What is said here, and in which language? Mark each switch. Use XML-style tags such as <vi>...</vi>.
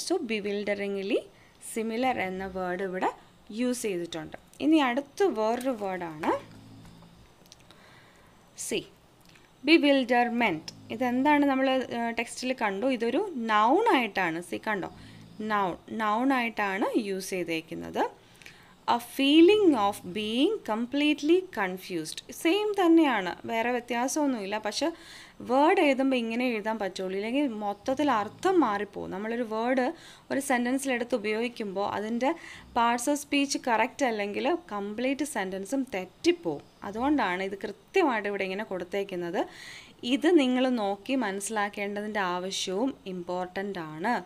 <en>so bewilderingly similar</en> <ml>എന്ന word ഇവിടെ use ചെയ്തിട്ടുണ്ട്. ഇനി അടുത്ത വേറൊരു വേർഡാണ് സി, ബിവിൽഡർമെൻറ്റ്. ഇതെന്താണ് നമ്മൾ ടെക്സ്റ്റിൽ കണ്ടു, ഇതൊരു നൗണായിട്ടാണ്. സി കണ്ടോ, നൗണായിട്ടാണ് യൂസ് ചെയ്തേക്കുന്നത്.</ml> <en>A feeling of being completely confused.</en> <ml>Same തന്നെയാണ്, വേറെ വ്യത്യാസമൊന്നുമില്ല. പക്ഷേ വേർഡ് എഴുതുമ്പോൾ ഇങ്ങനെ എഴുതാൻ പറ്റുള്ളൂ, ഇല്ലെങ്കിൽ മൊത്തത്തിൽ അർത്ഥം മാറിപ്പോകും. നമ്മളൊരു വേർഡ് ഒരു സെൻറ്റൻസിലെടുത്ത് ഉപയോഗിക്കുമ്പോൾ അതിൻ്റെ പാർട്സ് ഓഫ് സ്പീച്ച് കറക്റ്റ് അല്ലെങ്കിൽ കംപ്ലീറ്റ് സെൻറ്റൻസും തെറ്റിപ്പോവും. അതുകൊണ്ടാണ് ഇത് കൃത്യമായിട്ട് ഇവിടെ ഇങ്ങനെ കൊടുത്തേക്കുന്നത്. ഇത് നിങ്ങൾ നോക്കി മനസ്സിലാക്കേണ്ടതിൻ്റെ ആവശ്യവും ഇമ്പോർട്ടൻ്റ് ആണ്.</ml>